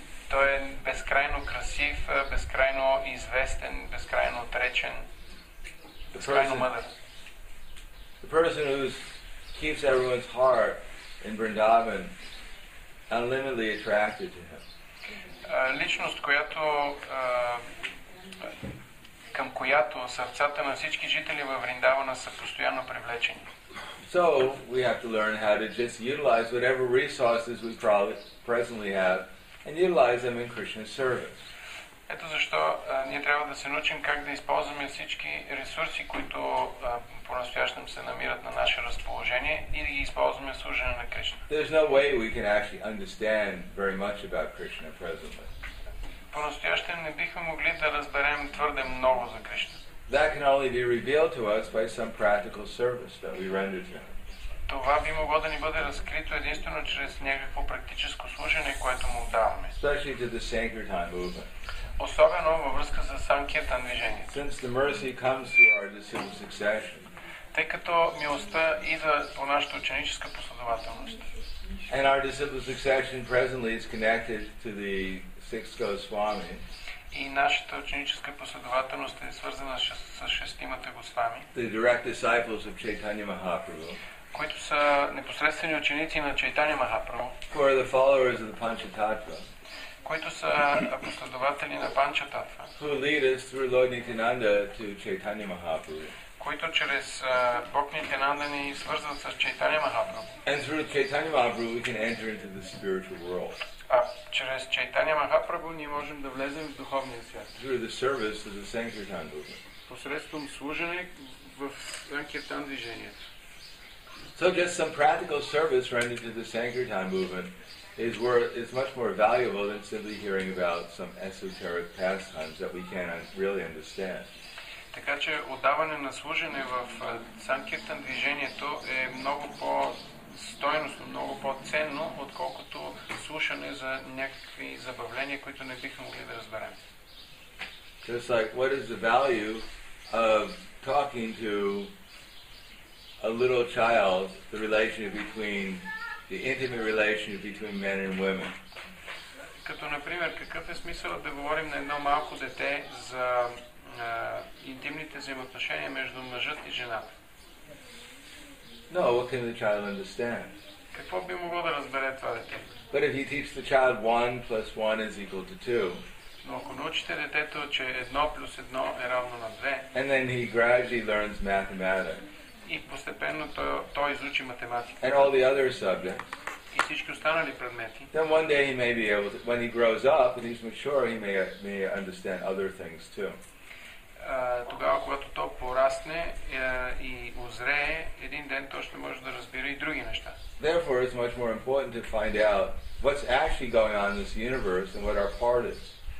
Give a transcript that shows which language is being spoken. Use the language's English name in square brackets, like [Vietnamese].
[Bulgarian] Той е безкрайно красив, безкрайно известен, безкрайно отречен, безкрайно мъдър. [English] The person who keeps everyone's heart in Vrindavan unlimitedly attracted to him. [Bulgarian] Личност, която към която сърцата на всички жители във Вриндавана са постоянно привлечени. [English] So we have to learn how to just utilize whatever resources we presently have and utilize them in Krishna's service. [Bulgarian] Ето защо ние трябва да се научим как да използваме всички ресурси, които понастоящем се намират на наше разположение и да ги използваме в служене на Кришна. [English] There's no way we can actually understand very much about Krishna presently. [Bulgarian] Понастоящем не бихме могли да разберем твърде много за Кришна. [English] That can only be revealed to us by some practical service that we render to him. [Bulgarian] Това би могло да ни бъде разкрито единствено чрез някакво практическо служение, което му даваме. [English] Especially to the Sankirtan movement. [Bulgarian] Особено във връзка с Санкиртан движението. [English] Since the mercy comes through our disciple succession. [Bulgarian] Тъй като милостта идва по нашата ученическа последователност. [English] And our disciple succession presently is connected to the Six Goswami. [Bulgarian] И нашата ученическа последователност е свързана с шестимата Госвами. [English] The direct disciples of Chaitanya Mahaprabhu. [Bulgarian] Които са непосредствени ученици на Чайтанья Махапрабху. [English] Who are the followers of the Панчататва. [Bulgarian] Които са последователи на Панчататва. [English] Who lead us through Lord Nityananda to Chaitanya Mahaprabhu. [Bulgarian] Които чрез Бог Нитянанда ни свързват с Чайтанья Махапрабху. [English] And through Chaitanya Mahaprabhu we can enter into the spiritual world. [Bulgarian] А чрез Чайтанья Махапрабху ние можем да влезем в духовния свят. [English] Through the service of the Sankirtan movement. [Bulgarian] Посредством служене в Санкиртан движението. [English] So just some practical service rendered to the Sankirtan movement is much more valuable than simply hearing about some esoteric pastimes that we can't really understand. [Bulgarian] Така че отдаване на служене в Санкиртан движението е много по стойностно, много по-ценно, отколкото слушане за някакви забавления, които не бихме могли да разберем. [English] Just like, what is the value of talking to a little child, the relationship between, the intimate relationship between men and women? [Bulgarian] Като, например, какъв е смисълът да говорим на едно малко дете за интимните взаимоотношения между мъжът и жената? [English] No, what can the child understand? [Bulgarian] Какво би могло да разбере това дете? [English] But if you teach the child 1 plus 1 is equal to 2. [Bulgarian] Но ако научите детето, че 1 плюс 1 е равно на 2. [English] And then he gradually learns mathematics. [Bulgarian] И постепенно той изучи математика. [English] And all the other subjects. [Bulgarian] И всички останали предмети. [English] Then one day he may be able to, when he grows up and he's mature, he may understand other things too. [Bulgarian] Тогава, когато то порасне и узрее, един ден то ще може да разбира и други неща. [English] Therefore, it's much more important to find out what's actually going on in this universe and what our part is.